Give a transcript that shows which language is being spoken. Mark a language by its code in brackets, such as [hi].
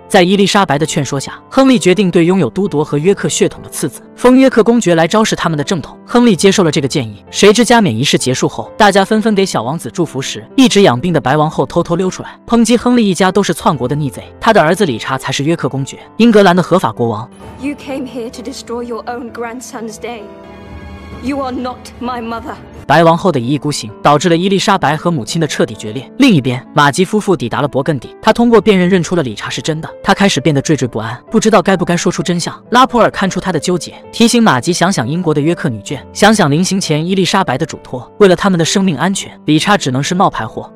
[zh] 在伊丽莎白的劝说下，亨利决定对拥有都铎和约克血统的次子封约克公爵来昭示他们的正统。亨利接受了这个建议。谁知加冕仪式结束后，大家纷纷给小王子祝福时，一直养病的白王后偷偷溜出来，抨击亨利一家都是篡国的逆贼，他的儿子理查才是约克公爵，英格兰的合法国王。 [en] You came here to destroy your own grandson's day. You are not my mother. [zh] 白王后的一意孤行导致了伊丽莎白和母亲的彻底决裂。另一边，玛吉夫妇抵达了勃艮第，他通过辨认认出了理查是真的，他开始变得惴惴不安，不知道该不该说出真相。拉普尔看出他的纠结，提醒玛吉想想英国的约克女眷，想想临行前伊丽莎白的嘱托，为了他们的生命安全，理查只能是冒牌货。